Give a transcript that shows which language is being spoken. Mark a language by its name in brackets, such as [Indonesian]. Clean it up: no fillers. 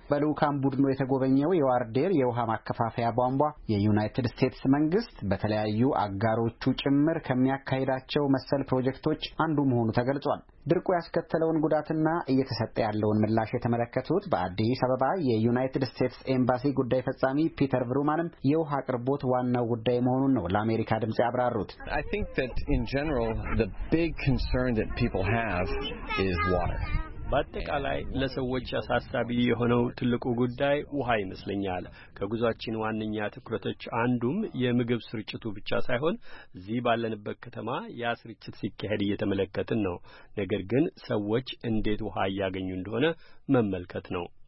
[Amharic] በሉካም ቡድኑ የተጎበኘው የዋርዴር የውሃ ማከፋፈያ ቧንቧ የዩናይትድ ስቴትስ መንግስት በተለያዩ አጋሮቹ ጭምር ከሚያካሂዳቸው መሰል ፕሮጀክቶች አንዱ መሆኑ ተገልጿል። ድርቁ ያስከተለውን ጉዳትና እየተሰጠ ያለውን ምላሽ የተመለከቱት በአዲስ አበባ የዩናይትድ ስቴትስ ኤምባሲ ጉዳይ ፈጻሚ ፒተር ብሩማንም የውሃ አቅርቦት ዋናው ጉዳይ መሆኑን ነው ለአሜሪካ ድምጽ ያብራሩት። [English] I think that in general the big concern that people have is water. [Amharic] በአጠቃላይ ለሰዎች አሳሳቢ የሆነው ትልቁ ጉዳይ ውሃ ይመስለኛል። ከጉዟችን ዋነኛ ትኩረቶች አንዱም የምግብ ስርጭቱ ብቻ ሳይሆን እዚህ ባለንበት ከተማ ያ ስርጭት ሲካሄድ እየተመለከትን ነው። ነገር ግን ሰዎች እንዴት ውሃ ያገኙ እንደሆነ መመልከት ነው።